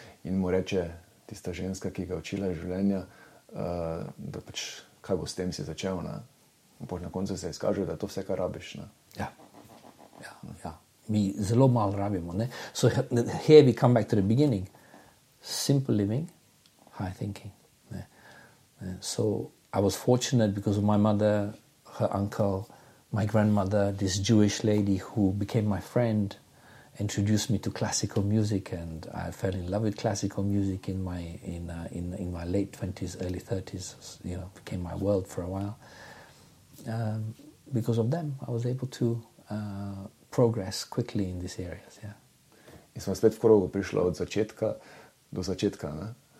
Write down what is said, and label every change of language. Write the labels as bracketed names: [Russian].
[Slovenian] In mu reče tista ženska, ki ga učila življenja, da pač, kaj bo s tem si začel. Ne? Pač na koncu se izkaže, da to vse, kar rabiš. Ne? Ja. Ja, ja. Mi zelo malo rabimo. Ne? [English] So here we come back to the beginning. Simple living, high thinking. Ne? So I was fortunate because of my mother, her uncle, my grandmother, this Jewish lady who became my friend, introduced me to classical music, and I fell in love with classical music in my in my late 20s, early 30s. You know, became my world for a while. Because of them, I was able to progress quickly in these areas. Yeah. [Slovenian] In smo spet v krogu prišla od začetka do začetka, ne?